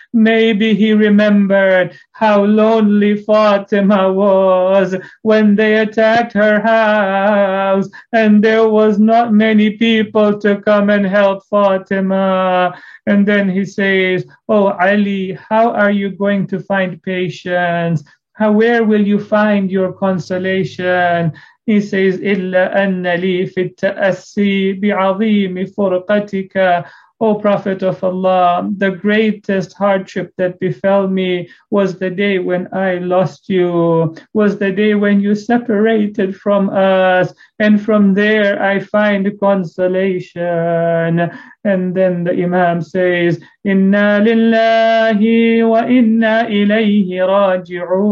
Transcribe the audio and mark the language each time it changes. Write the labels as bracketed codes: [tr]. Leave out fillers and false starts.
[en] Maybe he remembered how lonely Fatima was when they attacked her house, and there was not many people to come and help Fatima. And then he says, oh, Ali, how are you going to find patience? How, where will you find your consolation? He says, [ar] إِلَّا أَنَّ لِي فِي التَّأَسِّي بِعَظِيمِ فُرْقَتِكَ. [en] O Prophet of Allah, the greatest hardship that befell me was the day when I lost you, was the day when you separated from us, and from there I find consolation. And then the Imam says, Inna lillahi wa inna ilayhi raji'un.